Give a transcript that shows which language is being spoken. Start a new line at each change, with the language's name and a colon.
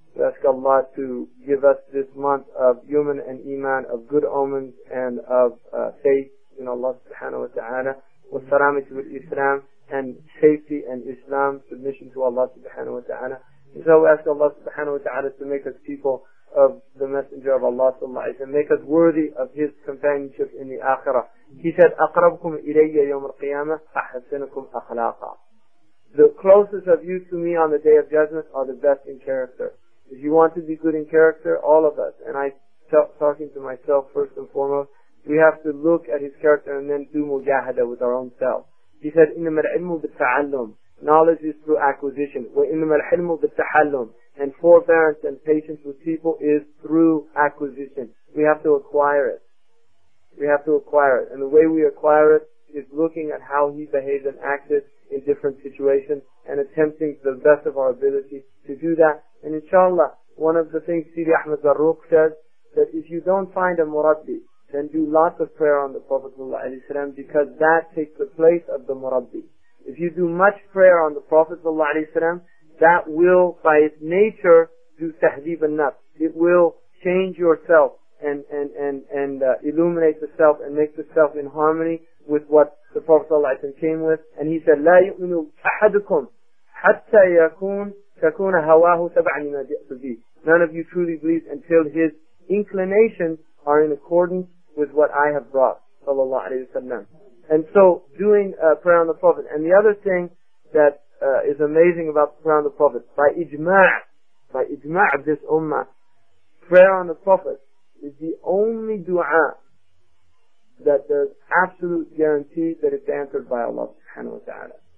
English: We ask Allah to give us this month of yuman and iman, of good omens and of faith in Allah subhanahu wa ta'ala,
Arabic: wa salamati wal islam,
English: and safety and Islam, submission to Allah subhanahu wa ta'ala. And so we ask Allah subhanahu wa ta'ala to make us people of the Messenger of Allah sallallahu alayhi wa sallam, make us worthy of his companionship in the Akhirah.
Arabic: He said, أَقْرَبْكُمْ إِلَيَّ يَوْمَ الْقِيَامَةِ أَحَسِنُكُمْ أَخْلَاقًا.
English: The closest of you to me on the Day of Judgment are the best in character. If you want to be good in character, all of us, and I talking to myself first and foremost, we have to look at his character and then do mujahada with our own self.
Arabic: He said, إِنَّمَا الْعِلْمُ بِالتَّعَلُّمْ.
English: Knowledge is through acquisition.
Arabic: وَإِنَّمَا الْحِلْمُ بِالتَّحَلُّمْ.
English: And forbearance and patience with people is through acquisition. We have to acquire it. We have to acquire it. And the way we acquire it is looking at how he behaves and acted in different situations and attempting the best of our ability to do that. And inshallah, one of the things Sidi Ahmed Zarruq says, that if you don't find a murabbi, then do lots of prayer on the Prophet ﷺ, because that takes the place of the murabbi. If you do much prayer on the Prophet ﷺ, that will, by its nature, do tahdeeb an-nafs. It will change yourself and illuminate the self and make the self in harmony with what the Prophet ﷺ came with.
Arabic: And he said, لا يؤمن أحدكم حتى يكون تكون هواه تبع لما جئت به.
English: None of you truly believe until his inclinations are in accordance with what I have brought, sallallahu alayhi wa sallam. And so, doing prayer on the Prophet. And the other thing that is amazing about prayer on the Prophet, by ijma' of this ummah, prayer on the Prophet is the only dua that there's absolute guarantee that it's answered by Allah subhanahu wa ta'ala.